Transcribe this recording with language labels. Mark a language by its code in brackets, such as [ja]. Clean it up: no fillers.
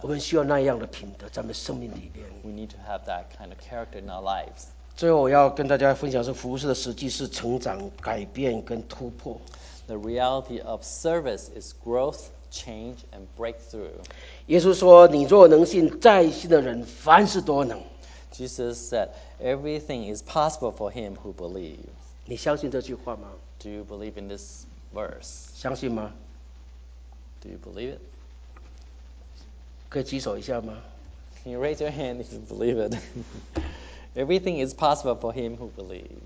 [zh] 我们需要那样的品德, 在我们生命里面, [en] we need to have that kind of character in our lives. [zh] 最后我要跟大家分享是服务式的实际是成长、改变跟突破。 [en] The reality of service is growth, change, and breakthrough. [zh] 耶稣说：“你若能信，再信的人凡事多能。” [en] Jesus said, "Everything is possible for him who believes." [zh] 你相信这句话吗？ [en] Do you believe in this verse? [zh] 相信吗？ [en] Do you believe it? [zh] 可以举手一下吗？ [en] Can you raise your hand if you believe it? Everything is possible for him who believes.